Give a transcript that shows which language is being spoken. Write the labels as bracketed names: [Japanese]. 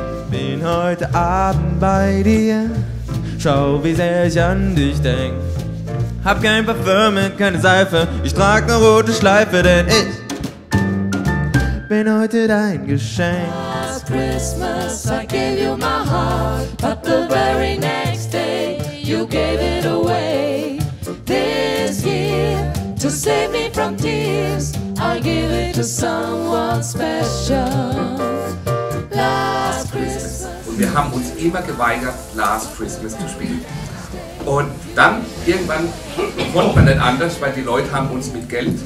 [German] Bin heute Abend bei dir. Schau, wie sehr ich an dich denk. Hab kein Parfüm, keine Seife. Ich trag ne rote Schleife, denn ich bin heute dein Geschenk. [English] Last Christmas I gave you my heart, but the very next day you gave it away. This year, to save me from tears, I'll give it to someone special. Last [German] wir haben uns immer geweigert, Last Christmas zu spielen. Und dann irgendwann konnte man nicht anders, weil die Leute haben uns mit Geld